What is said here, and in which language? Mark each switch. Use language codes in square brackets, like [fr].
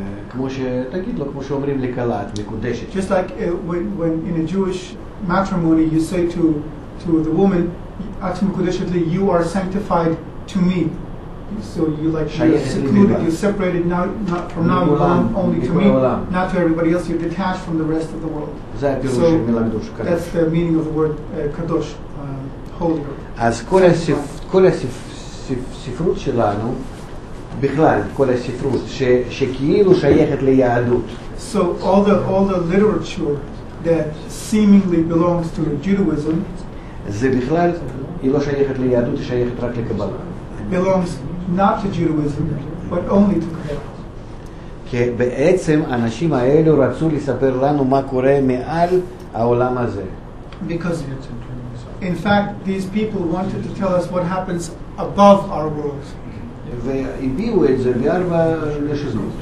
[he] כמו שתגיד לו, כמו שאומרים לקלה, את מקודשת. [en] Just like when in a Jewish matrimony you say to the woman, [he] את מקודשת לי, [en] you are sanctified to me. So you like secluded, you separated now, not from now, you belong only to me, not to everybody else, you're detached from the rest of the world. [he] זה הפירוש של מילה קדוש. [en] That's the meaning of the word קדוש, holy. [he] אז כל הספרות שלנו, בכלל, כל הספרות שכאילו שייכת ליהדות. [en] So all the literature that seemingly belongs to Judaism, [he] זה בכלל, היא לא שייכת ליהדות, היא שייכת רק לקבלה. [en] Belongs not to Judaism, but only to Kabbalah. [he] כי בעצם אנשים האלו רצו לספר לנו מה קורה מעל העולם הזה. [en] Because in fact, these people wanted to tell us what happens above our world. [he] והביאו את זה בארבע לשונות.